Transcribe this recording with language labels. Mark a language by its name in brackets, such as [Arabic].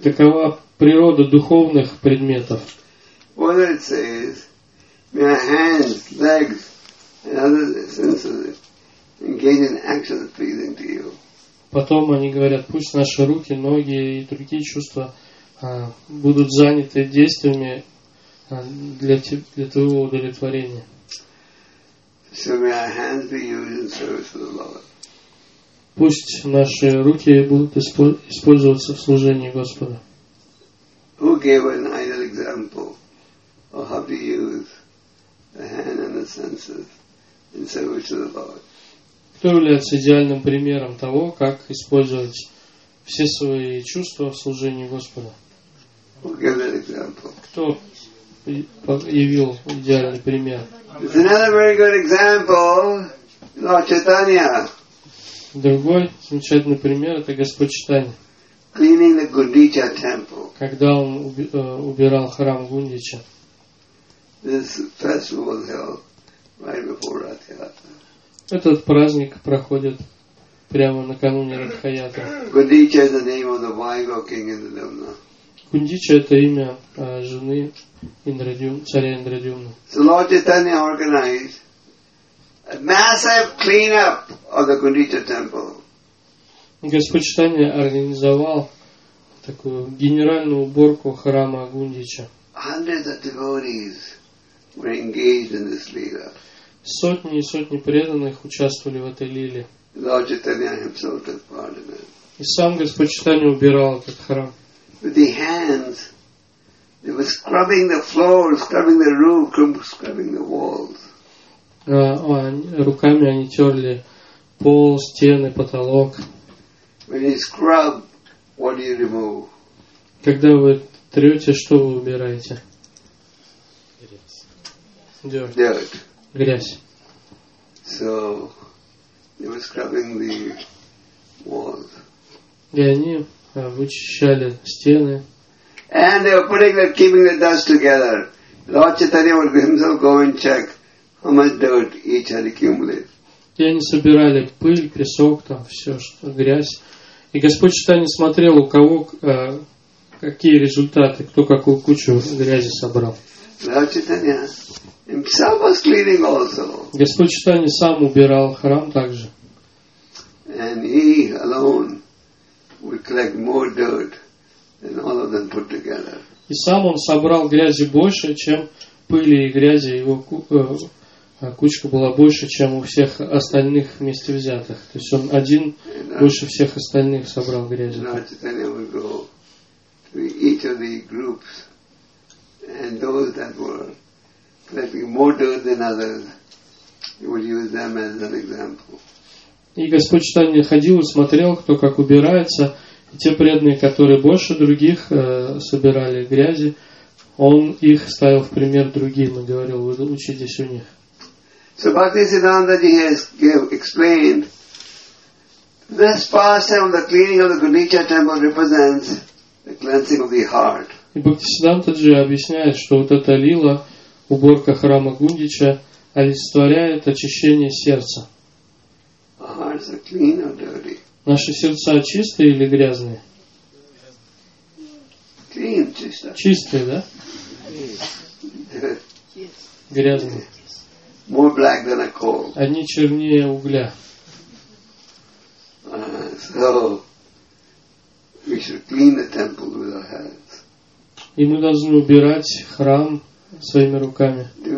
[Russian] Такова природа духовных предметов. [English] What it says, my hands, legs, and other senses engage in actions pleasing to you. [Russian] Потом они говорят, пусть наши руки, ноги и другие чувства будут заняты действиями для твоего удовлетворения. [English] So may our hands be used in service to the Lord. [Russian] Пусть наши руки будут использоваться в служении Господа. [English] Who gave an ideal example of how to use the hand and the senses in service to the Lord? [Russian] Кто является идеальным примером того, как использовать все свои чувства в служении Господа? [English] Who gave that example? [Russian] Кто явил идеальный пример? [English] It's another very good example, Lord Chaitanya. [Russian] Другой замечательный пример это Господь Чайтанья. [English] Cleaning the Гундича temple. [Russian] Когда он убирал храм Гундича. [English] This festival was held right before Ратха Ятра. [Russian] Этот праздник проходит прямо накануне Ратха Ятры. [English] Гундича is the name of the Vaigo king in the Devana. [Russian] Кундича – это имя жены царя Индрадюмны. [English] So Lord Chaitanya organized a massive cleanup of the Кундича temple. [Russian] Господь Чайтанья организовал такую генеральную уборку храма Гундича. [English] Hundreds of devotees were engaged in this lila. [Russian] Сотни и сотни преданных участвовали в этой лиле. [English] Lord Chaitanya himself took part in it. [Russian] И сам Господь Читания убирал этот храм. [English] With the hands, they were scrubbing the floor, scrubbing the room, scrubbing the walls. [Russian] Руками они терли пол, стены, потолок. [English] When you scrub, what do you remove? [Russian] Когда вы трете, что вы убираете? [English] Dirt. [Russian] Грязь. [English] So they were scrubbing the walls. [Russian] И они вычищали стены. [English] And they were putting the, keeping the dust together. Lord Chaitanya would himself go and check how much dirt each had accumulated. [Russian] И они собирали пыль, песок, там все, что, грязь. И Господь Читание смотрел, у кого какие результаты, кто какую кучу грязи собрал. [English] Lord Chaitanya himself was cleaning also. [Russian] Господь Читание сам убирал храм также. [English] And he alone would collect more dirt than all of them put together. [Russian] И сам он собрал грязи больше, чем пыли и грязи, его кучка была больше, чем у всех остальных вместе взятых. То есть он один больше всех остальных собрал грязи. [English] Lord Chaitanya would go to each of the groups, and those that were collecting more dirt than others, he would use them as an example. [Russian] И Господь Читания ходил и смотрел, кто как убирается. И те преданные, которые больше других собирали грязи, он их ставил в пример другим и говорил, вы учитесь у них. [English] So Bhaktisiddhanta has explained, this pastime of the cleaning of the Gaudiya temple represents the cleansing of the heart. [Russian] И Бхактисиддханта Джи объясняет, что вот эта лила, уборка храма Гундича, олицетворяет очищение сердца. Наши сердца чистые или грязные? [English] Clean, [Russian] чисто. Чистые, да? [English] Yes. [Russian] Грязные. [English] Yes. More black than a coal. [Russian] Они чернее угля. [English] So we should clean the temple with our hands. [Russian] И мы должны убирать храм своими руками.